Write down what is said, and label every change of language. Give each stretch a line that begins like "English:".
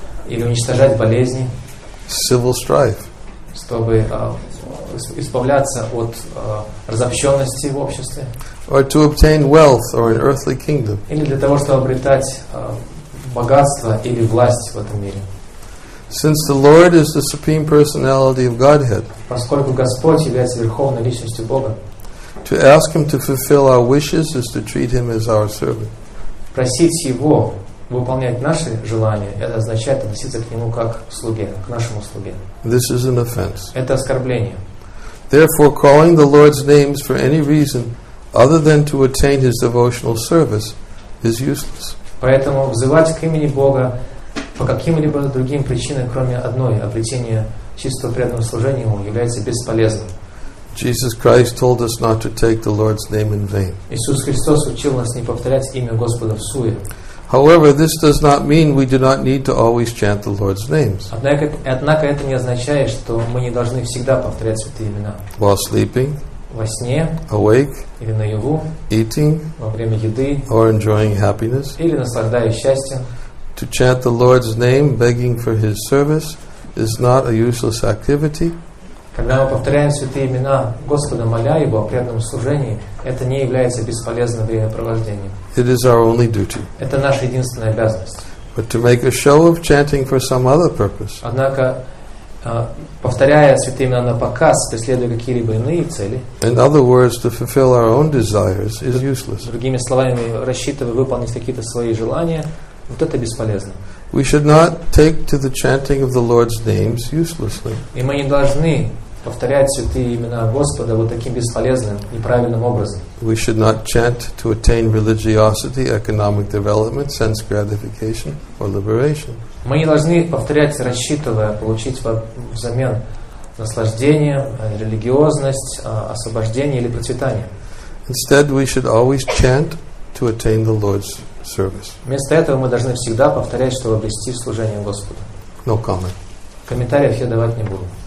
Russian: Или уничтожать болезни.
English: Civil strife.
Russian: Чтобы избавляться от разобщенности в обществе.
English: Or to obtain wealth or an earthly kingdom.
Russian: Или для того, чтобы обретать богатство или власть в этом мире.
English: Since the Lord is the supreme personality of Godhead,
Russian: поскольку Господь является верховной личностью Бога,
English: to ask Him to fulfill our wishes is to treat Him as our servant.
Russian: Просить Его выполнять наши желания – это означает относиться к Нему как слуге, к нашему слуге.
English: This is an offense.
Russian: Это оскорбление.
English: Therefore, calling the Lord's names for any reason other than to attain His devotional service is useless.
Russian: Поэтому взывать к имени Бога по каким-либо другим причинам, кроме одной, обретения чистого преданного служения ему, является бесполезным.
English: Jesus Christ told us not to take the Lord's name in vain.
Russian: Иисус Христос учил нас не повторять имя Господа всуе.
English: However, this does not mean we do not need to always chant the Lord's names.
Russian: Однако это не означает, что мы не должны всегда повторять святые имена.
English: While sleeping.
Russian: Во сне.
English: Awake.
Russian: Или наяву.
English: Eating.
Russian: Во время еды.
English: Or enjoying happiness.
Russian: Или наслаждаясь счастьем.
English: To chant the Lord's name, begging for His service, is not a useless activity.
Russian: Когда мы повторяем святые имена Господа, моля Его о преданном служении, это не является бесполезным времяпровождением.
English: It is our only duty.
Russian: Это наша единственная обязанность.
English: But to make a show of chanting for some other purpose.
Russian: Однако повторяя святыми на показ, преследуя какие-либо иные цели.
English: In other words, to fulfill our own desires is useless.
Russian: Другими словами, рассчитывая выполнить какие-то свои желания, вот это бесполезно.
English: We should not take to the chanting of the Lord's names uselessly.
Russian: И мы не должны повторять святые имена Господа вот таким бесполезным, неправильным образом.
English: We should not chant to attain religiosity, economic development, sense gratification, or liberation.
Russian: Мы не должны повторять, рассчитывая получить взамен наслаждение, религиозность, освобождение или процветание.
English: Instead, we should always chant to attain the Lord's service.
Russian: Вместо этого мы должны всегда повторять, чтобы обрести служение Господу.
English: No comment.
Russian: Комментариев я давать не буду.